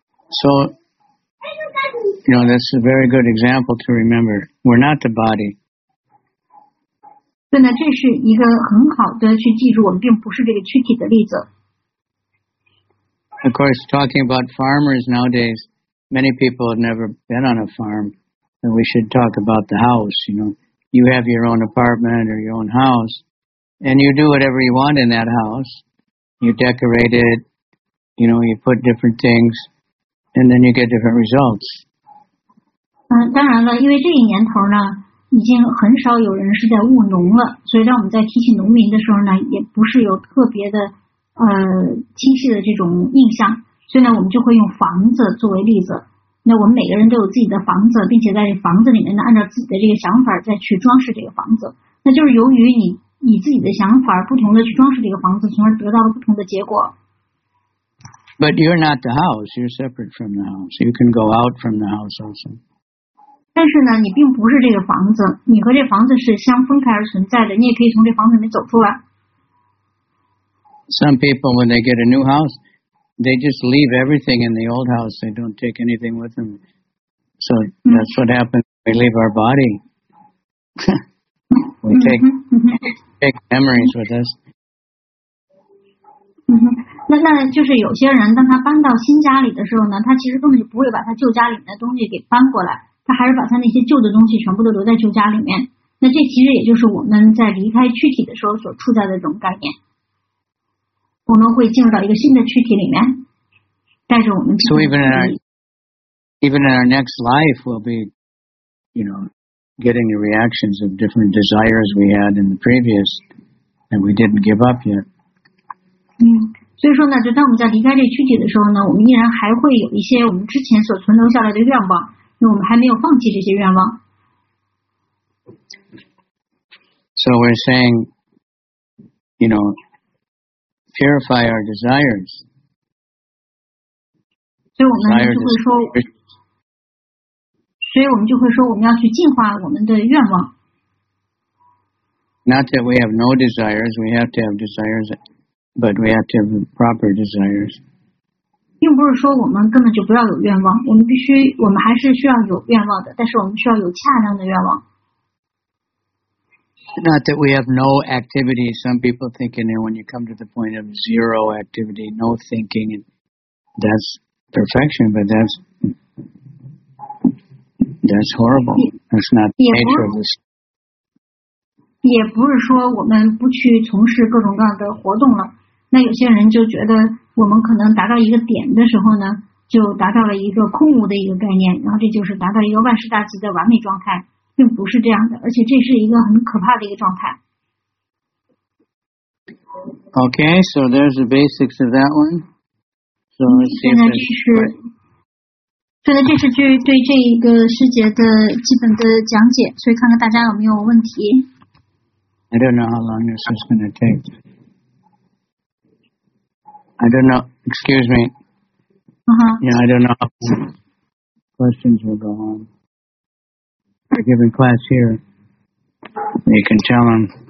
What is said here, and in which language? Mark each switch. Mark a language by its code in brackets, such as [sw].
[en] So, you know, that's a very good example to remember. We're not the body. [zh] 对呢，这是一个很好的去记住我们并不是这个躯体的例子。 [en] Of course, talking about farmers nowadays, many people have never been on a farm.And we should talk about the house, you know, you have your own apartment or your own house, and you do whatever you want in that house. You decorate it, you know, you put different things, and then you get different results. [zh] 当然了，因为这一年头呢，已经很少有人是在务农了，所以当我们在提起农民的时候呢，也不是有特别的清晰的这种印象，所以呢，我们就会用房子作为例子。那我们每个人都有自己的房子，并且在这房子里面呢，按照自己的这个想法再去装饰这个房子。那就是由于你自己的想法不同的去装饰这个房子，从而得到了不同的结果。 [en] But you're not the house. You're separate from the house. You can go out from the house also. [zh] 但是呢，你并不是这个房子，你和这房子是相分开而存在的。你也可以从这房子里面走出来。 [en] Some people when they get a new house. They just leave everything in the old house. They don't take anything with them. So that's what happens. We leave our body. We take memories with us. [zh] 那就是有些人当他搬到新家里的时候呢，他其实根本就不会把他旧家里面的东西给搬过来，他还是把他那些旧的东西全部都留在旧家里面。那这其实也就是我们在离开躯体的时候所处在的这种概念。我们会进入到一个新的躯体里面，带着我们。 [en] So even in our next life, we'll be, you know, getting the reactions of different desires we had in the previous, and we didn't give up yet. [zh] 所以说呢，就当我们在离开这躯体的时候呢，我们依然还会有一些我们之前所存留下来的愿望，因为我们还没有放弃这些愿望。 [en] So we're saying, you know. Purify our desires. Not that we have no desires, we have to have desires, but we have to have proper desires. [zh] 并不是说我们根本就不要有愿望，我们还是需要有愿望的，但是我们需要有恰当的愿望。 [en] Not that we have no activity. Some people think in there when you come to the point of zero activity, no thinking, that's perfection, but that's horrible. That's not the nature of this. [zh] 也不是说我们不去从事各种各样的活动了。那有些人就觉得我们可能达到一个点的时候呢，就达到了一个空无的一个概念，然后这就是达到一个万事大吉的完美状态。并不是这样的，而且这是一个很可怕的一个状态。 [en] Okay, so there's the basics of that one. So let's see. [zh] 现在这是对这一个师姐的基本的讲解，所以看看大家有没有问题。 [en] I don't know how long this is going to take. I don't know. Excuse me. Yeah, I don't know. How questions will go on. I give a class here. You can tell them.